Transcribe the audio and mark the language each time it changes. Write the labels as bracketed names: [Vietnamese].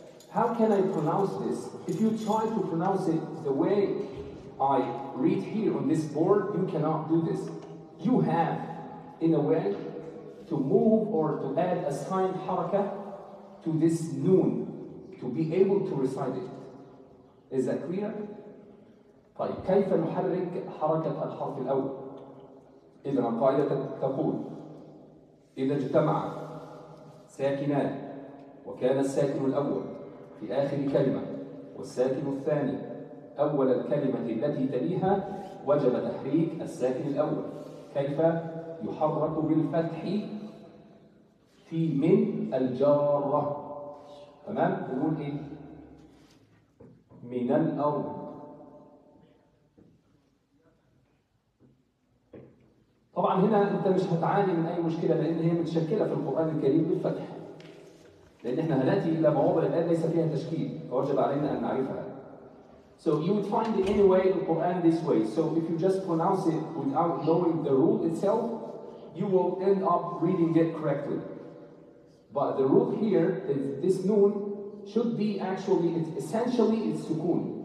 [English] How can I pronounce this? If you try to pronounce it the way I read here on this board, you cannot do this. You have, in a way, to move or to add a sign haraka to this noon to be able to recite it. Is that clear? [Arabic] طيب كيف نحرك حركة الحرف الأول؟ إذا القاعدة تقول إذا اجتمع ساكنان وكان الساكن الأول في آخر كلمة والساكن الثاني أول الكلمة التي تليها وجب تحريك الساكن الأول. كيف يحرك بالفتح في من الجارة؟ تمام؟ يقول إيه؟ من الأرض. طبعا هنا انت مش هتعاني من اي مشكله لان هي متشكله في القران الكريم بالفتح، لان احنا هناتي الى مواضع الان ليس فيها تشكيل، فوجب علينا ان نعرفها. [English] So you would find it anyway in Quran this way. So if you just pronounce it without knowing the rule itself, you will end up reading it correctly. But the rule here is this noon should be actually, it's essentially it's sukun.